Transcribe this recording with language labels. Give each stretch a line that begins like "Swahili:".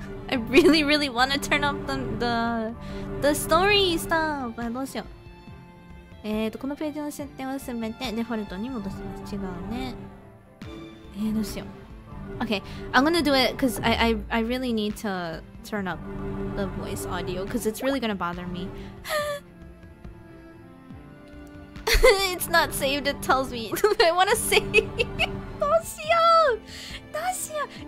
English: I really, really want to turn off the story stuff!
Japanese: どうしよう。このページの設定を進めてデフォルトに戻します。違うね。どうしよう。
English: Okay, I'm gonna do it because I really need to turn up the voice audio because it's really gonna bother me. It's not saved, it tells me. I wanna save!
Japanese: どうしよう。